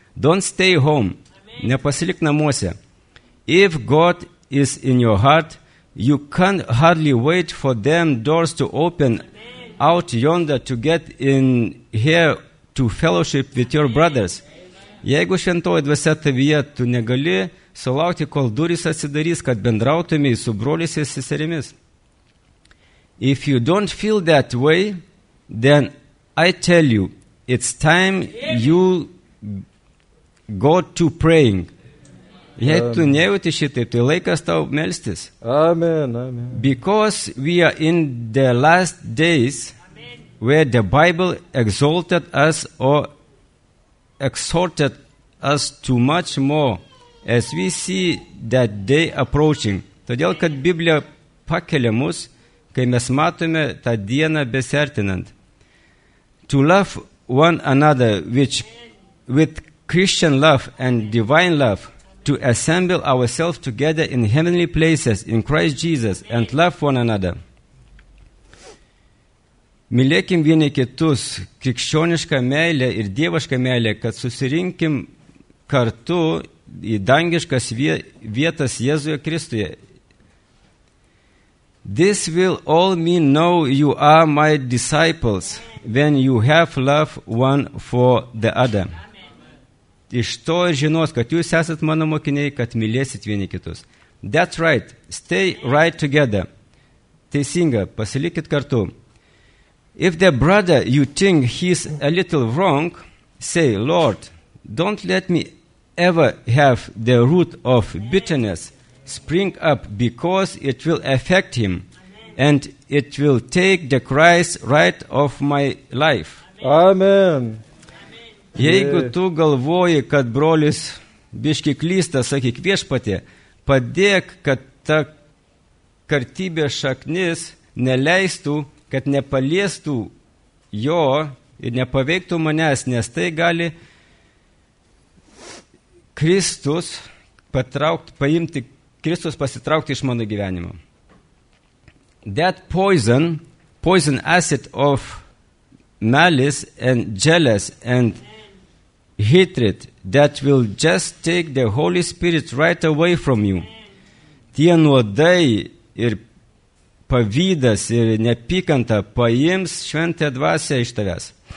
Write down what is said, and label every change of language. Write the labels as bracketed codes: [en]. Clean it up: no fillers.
[en] Don't stay home. [lt] Nepasilik namuose. [en] If God is in your heart, you can't hardly wait for them doors to open out yonder to get in here to fellowship with your brothers. [lt] Jeigu šventoji dvasia tavyje, tu negali sulaukti, kol durys atsidarys, kad bendrautumėj su broliais ir seserimis. [en] If you don't feel that way, then I tell you, it's time you go to praying. [lt] Jei tu nejauti šitai, tai laikas tau melstis. [en] Amen, amen. Because we are in the last days where the Bible exalted us or exhorted us too much more as we see that day approaching. [lt] Todėl, kad Biblia pakelia mus, kai mes matome tą dieną besertinant. [en] To love one another with Christian love and divine love, to assemble ourselves together in heavenly places in Christ Jesus and love one another. [lt] Mylėkim vieni kitus krikščionišką meilę ir dievišką meilę, kad susirinkim kartu į dangiškas vietas Jėzuje Kristuje. [en] This will all mean know you are my disciples when you have love one for the other. [lt] Iš to ir žinos, kad jūs esat mano mokiniai, kad mylėsit vieni kitus. [en] That's right. Stay right together. [lt] Teisinga, pasilikit kartu. [en] If the brother you think he's a little wrong, say, Lord, don't let me ever have the root of bitterness spring up because it will affect him and it will take the Christ right off my life. Amen. [lt] Jeigu tu galvoji, kad brolis biški klysta, sakyk viešpatė, padėk, kad ta kartybė šaknis neleistų, kad nepaliestų jo ir nepaveiktų manęs, nes tai gali Kristus pasitraukti iš mano gyvenimo. [en] That poison acid of malice and jealous and hatred that will just take the Holy Spirit right away from you. [lt] Tie nuodai ir pavydas ir nepykanta paims šventąją dvasę iš tavęs.